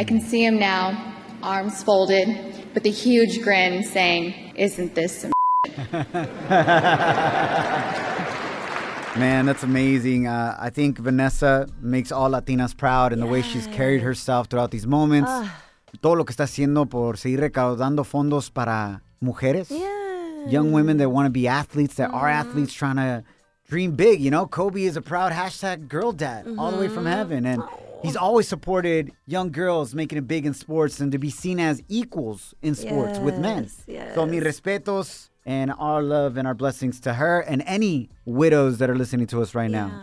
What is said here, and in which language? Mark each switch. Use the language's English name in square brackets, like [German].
[English] I can see him now, arms folded, with a huge grin saying, isn't this some Man, that's amazing. I think Vanessa makes all Latinas proud in the way she's carried herself throughout these moments. [Spanish] Todo lo que está haciendo por seguir recaudando fondos para mujeres. [English] Yeah. Young women that want to be athletes, that are athletes trying to dream big, you know? Kobe is a proud hashtag girl dad all the way from heaven. And he's always supported young girls making it big in sports and to be seen as equals in sports with men. Yes. So, [Spanish] mi respetos [English] and our love and our blessings to her and any widows that are listening to us right now.